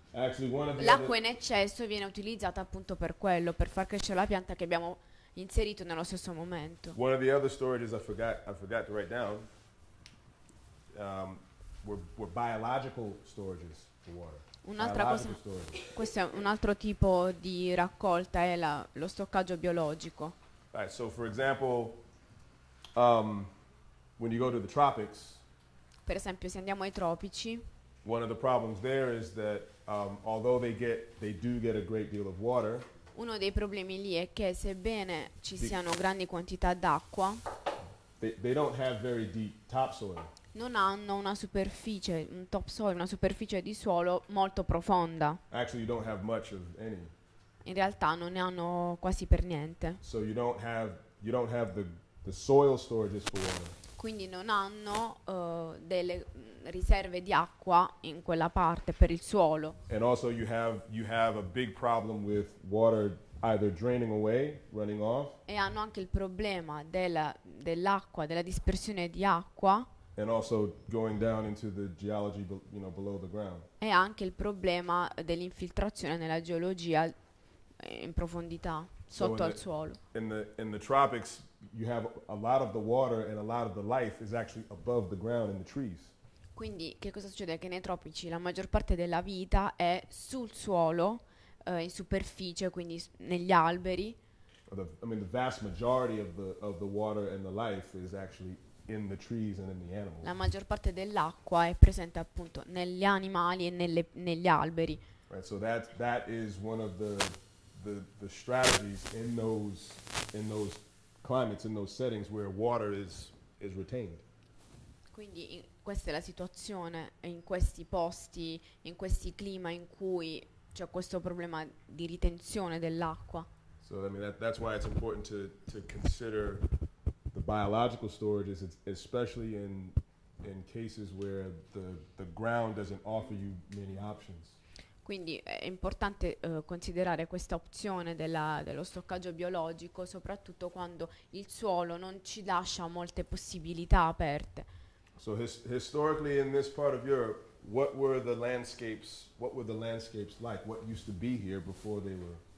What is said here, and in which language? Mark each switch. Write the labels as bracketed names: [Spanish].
[Italian] L'acqua in eccesso viene utilizzata appunto per quello, per far crescere la pianta che abbiamo inserito nello stesso momento. [English] One of the other storages I forgot to write down. Were biological storages for water. [Italian] Un'altra cosa, questo è un altro tipo di raccolta, è lo stoccaggio biologico. [English] Right, so for example, when you go to the tropics, [Italian] per esempio se andiamo ai tropici, [English] one of the problems there is that although they do get a great deal of water, [Italian] uno dei problemi lì è che sebbene ci siano grandi quantità d'acqua, [English] they don't have very deep topsoil. [Italian] Non hanno una superficie, un topsoil, una superficie di suolo molto profonda. [English] Actually, you don't have much of any. [Italian] In realtà non ne hanno quasi per niente. [English] So you don't have the soil storages for water. [Italian] Quindi non hanno delle riserve di acqua in quella parte per il suolo. [English] And also you have a big problem with water either draining away, running off. [Italian] E hanno anche il problema dell'acqua, della dispersione di acqua. [English] And also going down into the geology, you know, below the ground. [Italian] E anche il problema dell'infiltrazione nella geologia in profondità sotto al suolo. [English] In the tropics, you have a lot of the water and a lot of the life is actually above the ground in the trees. [Italian] Quindi che cosa succede? Che nei tropici la maggior parte della vita è sul suolo, in superficie, quindi negli alberi. [English] The vast majority of the water and the life is actually in the trees and in the animals. [Italian] La maggior parte dell'acqua è presente appunto negli animali e negli alberi. [English] Right, so that is one of the strategies in those climates, in those settings where water is retained. [Italian] Quindi questa è la situazione in questi posti, in questi clima in cui c'è questo problema di ritenzione dell'acqua. [English] So I mean that's why it's important to consider biological storages, especially in in cases where the ground doesn't offer you many options. [Italian] Quindi è importante considerare questa opzione dello stoccaggio biologico, soprattutto quando il suolo non ci lascia molte possibilità aperte. [English] So historically in this part of Europe, what were the landscapes like? What used to be here before they were?